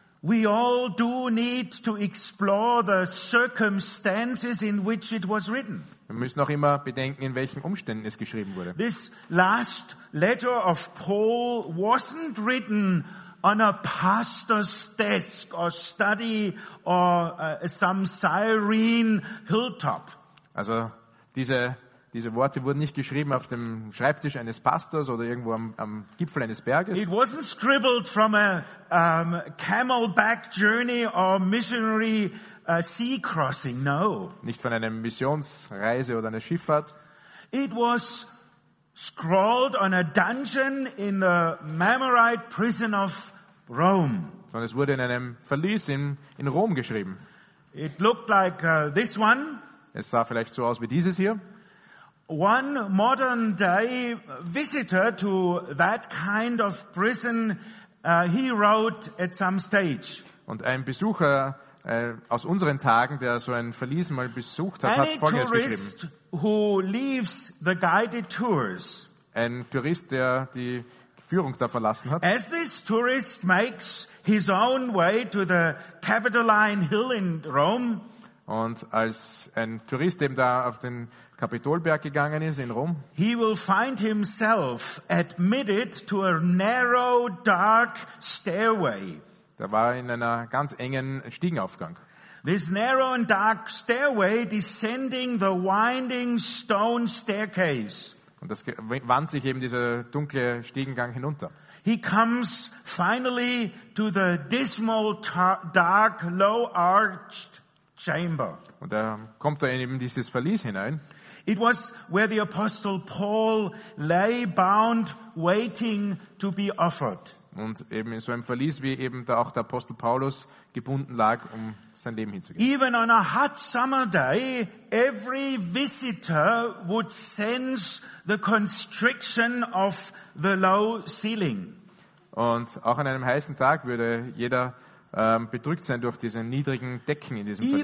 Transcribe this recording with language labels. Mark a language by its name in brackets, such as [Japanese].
[English] We all do need to explore the circumstances in which it was written. [German] Wir müssen auch immer bedenken, in welchen Umständen es geschrieben wurde. [English] This last letter of Paul wasn't written on a pastor's desk or study or some Cyrene hilltop. [German] Also diese Worte wurden nicht geschrieben auf dem Schreibtisch eines Pastors oder irgendwo am Gipfel eines Berges. [English] It wasn't scribbled from a camelback journey or missionary sea crossing, no. [German] Nicht von einer Missionsreise oder einer Schifffahrt. [English] It was scrawled on a dungeon in the Marmorite prison of Rome. [German] Sondern es wurde in einem Verlies in Rom geschrieben. [English] It looked like this one. [German] Es sah vielleicht so aus wie dieses hier. [English] One modern day visitor to that kind of prison, he wrote at some stage. [German] Und ein Besucher aus unseren Tagen, der so ein Verlies mal besucht hat, hat Folgendes geschrieben. [English] Who leaves the guided tours. [German] Ein Tourist, der die Führung da verlassen hat. [English] As this tourist makes his own way to the Capitoline Hill in Rome. [German] Und als ein Tourist eben da auf den Kapitolberg gegangen ist in Rom. [English] He will find himself admitted to a narrow, dark stairway. [German] Da war in einer ganz engen Stiegenaufgang. [English] This narrow and dark stairway descending the winding stone staircase. [German] Und das wand sich eben dieser dunkle Stiegengang hinunter. [English] He comes finally to the dismal, dark, low arched chamber. [German] Und da kommt er eben dieses Verlies hinein. [English] It was where the apostle Paul lay bound waiting to be offered. [German] Und eben in so einem Verlies, wie eben da auch der Apostel Paulus gebunden lag, um sein Leben hinzugeben. [English] Even on a hot summer day, every visitor would sense the constriction of the low ceiling. [German] Und auch an einem heißen Tag würde jeder bedrückt sein durch diese niedrigen Decken in diesem Verlies.